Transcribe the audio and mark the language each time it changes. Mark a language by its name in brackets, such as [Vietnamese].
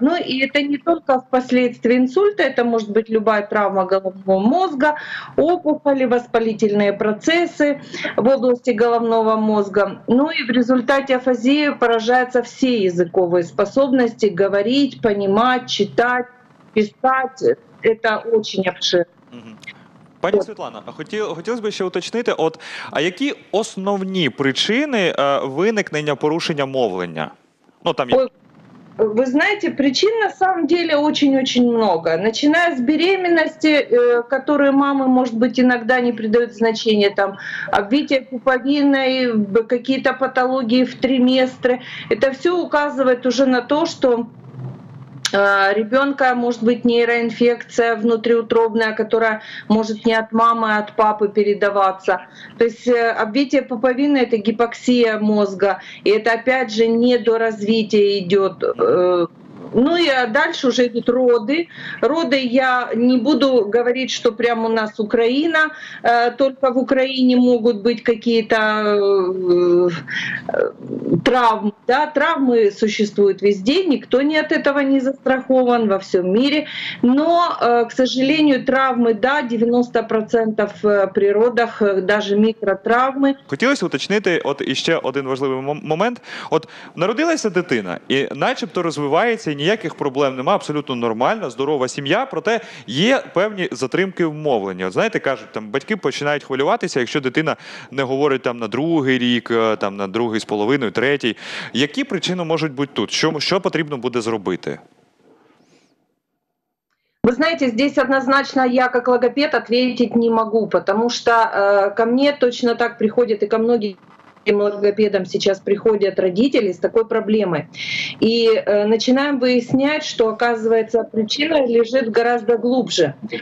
[Russian] Ну и это не только впоследствии инсульта, это может быть любая травма головного мозга, опухоли, воспалительные процессы в области головного мозга. Ну и в результате афазии поражаются все языковые способности говорить, понимать, читать, писать. Это очень обширно. [Ukrainian] Пані Світлана, хотілося б ще уточнити, які основні причини виникнення порушення мовлення? [Russian] Вы знаете, причин на самом деле очень-очень много. Начиная с беременности, которые мамы, может быть, иногда не придают значения, там, обвитие пуповиной, какие-то патологии в триместре. Это все указывает уже на то, что ребенка может быть нейроинфекция внутриутробная, которая может не от мамы, а от папы передаваться. То есть обвитие пуповины – это гипоксия мозга, и это опять же не до развития идет. Ну и дальше уже идут роды. Роды я не буду говорить, что прямо у нас Украина, только в Украине могут быть какие-то травмы. Да, травмы существуют везде, никто ни от этого не застрахован во всем мире. Но, к сожалению, травмы, да, 90% при родах, даже микротравмы. Хотелось уточнить от еще один важный момент. [Ukrainian] От народилася дитина, і начебто розвивається, і ніяких проблем немає, абсолютно нормальна, здорова сім'я, проте є певні затримки в мовленні. От знаєте, кажуть, там батьки починають хвилюватися, якщо дитина не говорить там на другий рік, там на другий з половиною, третій. Які причини можуть бути тут? Що потрібно буде зробити? [Russian] Вы знаете, здесь однозначно я как логопед ответить не могу, потому что ко мне точно так приходит и ко многим логопедам сейчас приходят родители с такой проблемой. И начинаем выяснять, что, оказывается, причина лежит гораздо глубже.